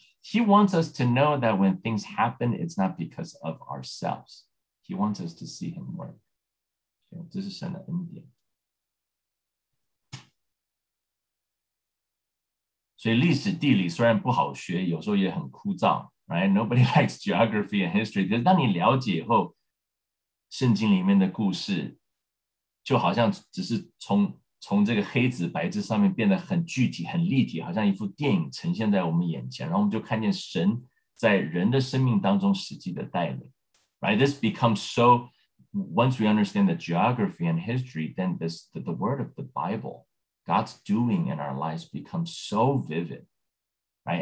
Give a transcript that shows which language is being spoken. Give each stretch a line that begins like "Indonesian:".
English: He wants us to know that when things happen, it's not because of ourselves. He wants us to see Him work. Okay?
Chinese: 这是神的恩典。所以历史地理虽然不好学，有时候也很枯燥。
English: Right? Nobody likes geography and history.
Chinese: 可是当你了解以后，圣经里面的故事，就好像只是从 从这个黑子白字上面变得很具体、很立体，好像一幅电影呈现在我们眼前，然后我们就看见神在人的生命当中实际的带领。
English: Right? This becomes so, once we understand the geography and history, then this the word of the Bible, God's doing in our lives becomes so vivid, right?